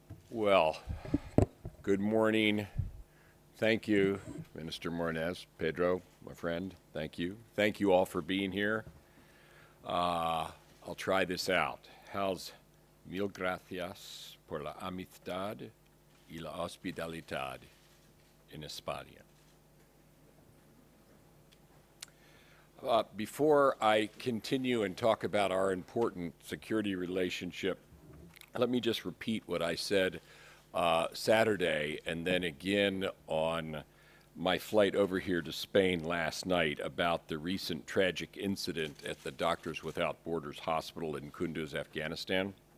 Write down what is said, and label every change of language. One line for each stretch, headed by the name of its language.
English: Well, good morning. Thank you, Minister Morenes, Pedro, my friend. Thank you. Thank you all for being here. I'll try this out. How's
Spanish: mil gracias por la amistad y la hospitalidad in España?
English: Before I continue and talk about our important security relationship, let me just repeat what I said Saturday and then again on my flight over here to Spain last night about the recent tragic incident at the Doctors Without Borders Hospital in Kunduz, Afghanistan.